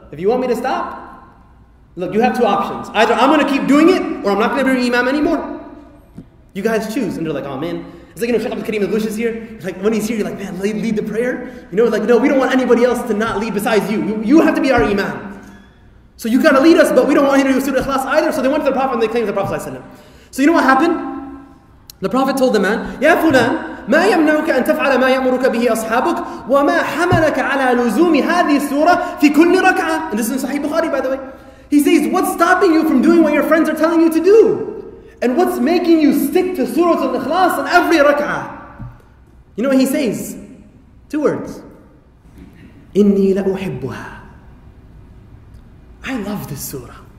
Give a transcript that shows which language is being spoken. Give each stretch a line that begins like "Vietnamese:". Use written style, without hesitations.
English: If you want me to stop, look, you have two options. Either I'm going to keep doing it, or I'm not going to be an Imam anymore. You guys choose. And they're like, oh man. It's like, you know, Sheikh Abdul Karim Al-Ghush is here. It's like, when he's here, you're like, man, lead the prayer. You know, like, no, we don't want anybody else to not lead besides you. You have to be our Imam. So you got to lead us, but we don't want you to do Surah Ikhlas either. So they went to the Prophet and they claimed the Prophet Sallallahu Alaihi Wasallam. So you know what happened? The Prophet told the man,
Arabic: يا فلان ما يمنعك أن تفعل ما يأمرك به أصحابك وما حملك على لزوم هذه السورة في كل ركعة.
English: And this is in Sahih Bukhari, by the way. He says, what's stopping you from doing what your friends are telling you to do? And what's making you stick to Surah Al-Ikhlas in every rak'ah? You know what he says? Two words.
Arabic: إني لأحبها.
English: I love this surah.